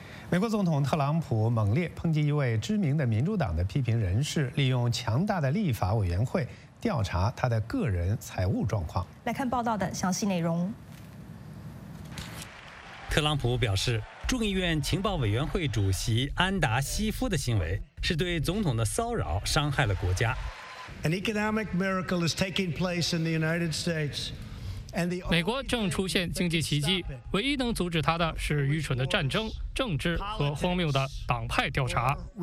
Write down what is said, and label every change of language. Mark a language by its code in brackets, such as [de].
[zh] 美国总统特朗普猛烈抨击一位知名的民主党的批评人士，利用强大的立法委员会调查他的个人财务状况。来看报道的详细内容。特朗普表示，众议院情报委员会主席安达西夫的行为是对总统的骚扰，伤害了国家。 [en] An economic miracle is taking place in the United States. [zh] 美国正出现经济奇迹，唯一能阻止它的是愚蠢的战争、政治和荒谬的党派调查。